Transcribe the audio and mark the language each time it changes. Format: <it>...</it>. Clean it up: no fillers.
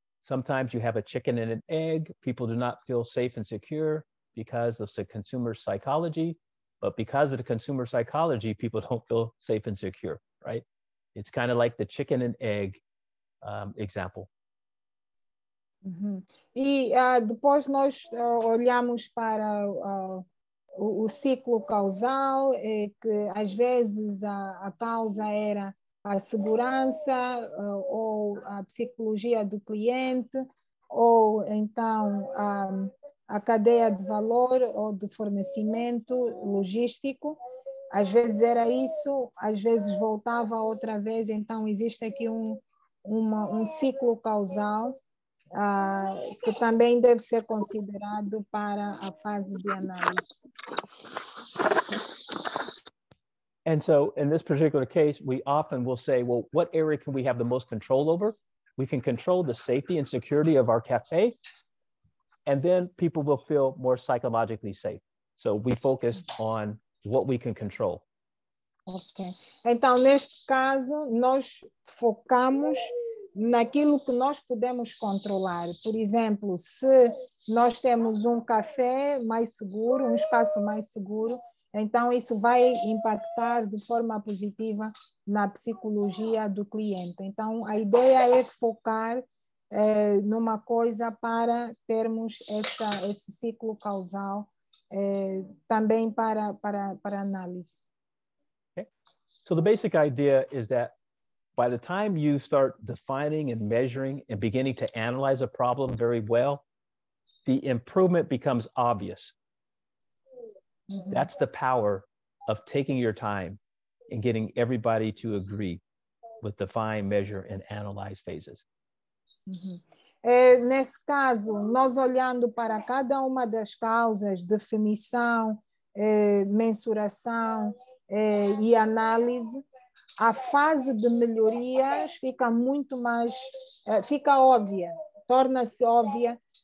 <en>Sometimes you have a chicken and an egg. People do not feel safe and secure because of the consumer psychology. But because of the consumer psychology, people don't feel safe and secure, right? It's kind of like the chicken and egg example. Uh-huh.</en> <pt>E depois nós olhamos para o ciclo causal, que às vezes a causa era a segurança ou a psicologia do cliente, ou então a cadeia de valor ou de fornecimento logístico. Às vezes era isso, às vezes voltava outra vez, então existe aqui um ciclo causal que também deve ser considerado para a fase de análise.</pt> <en>And so in this particular case, we often will say, well, what area can we have the most control over? We can control the safety and security of our cafe, and then people will feel more psychologically safe. So we focus on what we can control. Okay.</en> <pt>Então, neste caso, nós focamos naquilo que nós podemos controlar. Por exemplo, se nós temos café mais seguro, espaço mais seguro, então isso vai impactar de forma positiva na psicologia do cliente. Então, a ideia é focar numa coisa para termos esse ciclo causal também para análise. Okay.</pt> <en>So the basic idea is that by the time you start defining and measuring and beginning to analyze a problem very well, the improvement becomes obvious. That's the power of taking your time and getting everybody to agree with define, measure, and analyze phases. Uhum.</en> <pt>Nesse caso, nós olhando para cada uma das causas, definição, mensuração e análise, a fase de melhoria fica muito mais, fica óbvia, torna-se óbvia,</pt>